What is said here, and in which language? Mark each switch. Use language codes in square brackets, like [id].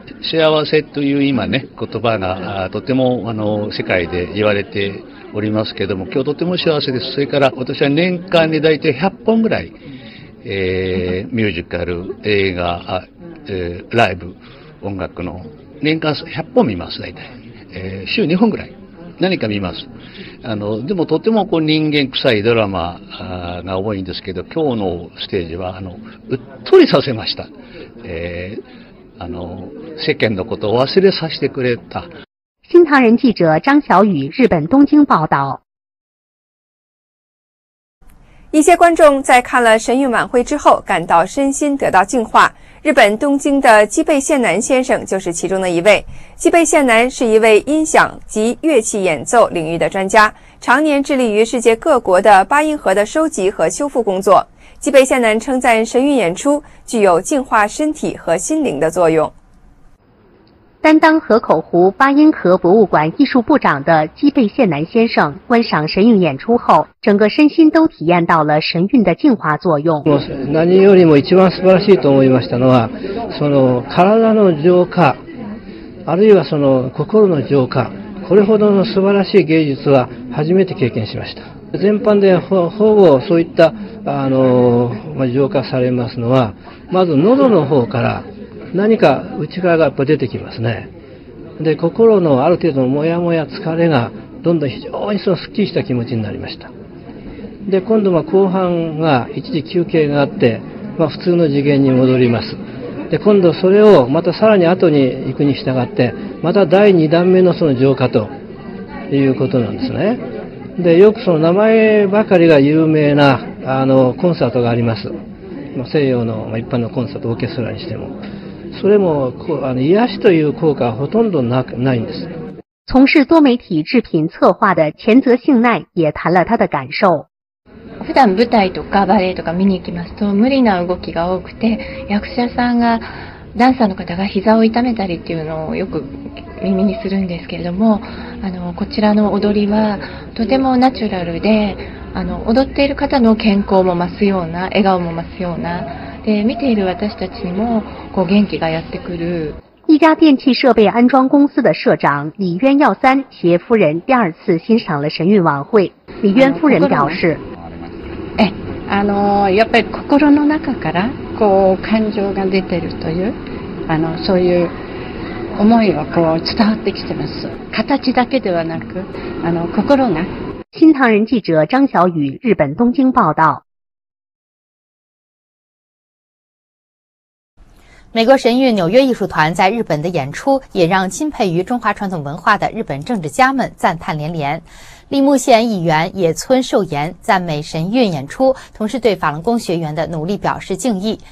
[ja] 幸せという今ね言葉がとてもあの世界で言われておりますけども、今日とても幸せです。それから私は年間に大体100本ぐらい、ミュージカル、映画、ライブ、音楽の年間100本見ます。大体、週2本ぐらい何か見ます。あのでもとてもこう人間臭いドラマが多いんですけど、今日のステージはあのうっとりさせました。あの世間のことを忘れさせてくれた。 [zh] 新唐人記者张小雨、日本东京报道。一些观众在看了神韵晚会之后感到身心得到净化，日本东京的基贝宪男先生就是其中的一位。基贝宪男是一位音响及乐器演奏领域的专家，常年致力于世界各国的八音盒的收集和修复工作。基贝宪男称赞神韵演出具有净化身体和心灵的作用。担当河口湖八音盒博物馆艺术部长的基贝宪男先生观赏神韵演出后，整个身心都体验到了神韵的净化作用。 [ja] 何よりも一番素晴らしいと思いましたのは、その体の浄化、あるいはその心の浄化、これほどの素晴らしい芸術は初めて経験しました。全般で ほぼそういったあの浄化されますのは、まず喉の方から何か内側がやっぱ出てきますね。で、心のある程度のモヤモヤ疲れがどんどん非常にそのスッキリした気持ちになりました。で、今度は後半が一時休憩があって、まあ普通の次元に戻ります。で今度それをまたさらに後に行くに従ってまた第2段目のその浄化ということなんですね。でよくその名前ばかりが有名なあのコンサートがあります。西洋の一般のコンサートオーケストラにしてもそれもこうあの癒しという効果はほとんど ないんです。 [zh] 从事多媒体制品策划的前泽信奈也谈了他的感受。 [ja] 普段舞台とかバレエとか見に行きますと無理な動きが多くて役者さんがダンサーの方が膝を痛めたりっていうのをよく耳にするんですけれどもあのこちらの踊りはとてもナチュラルであの踊っている方の健康も増すような笑顔も増すようなで見ている私たちにもこう元気がやってくる。 [zh] 一家电器设备安装公司的社长李渊耀三携夫人第二次欣赏了神韵晚会。李渊夫人表示 [ja] やっぱり心の中からこう感情が出てるというあのそういう思いはこう伝わってきてます。形だけではなくあの心が。 [zh] 新唐人記者张小雨日本东京报道。美国神韵纽约艺术团在日本的演出也让钦佩于中华传统文化的日本政治家们赞叹连连。立木县议员野村寿言赞美神韵演出，同时对法轮功学员的努力表示敬意。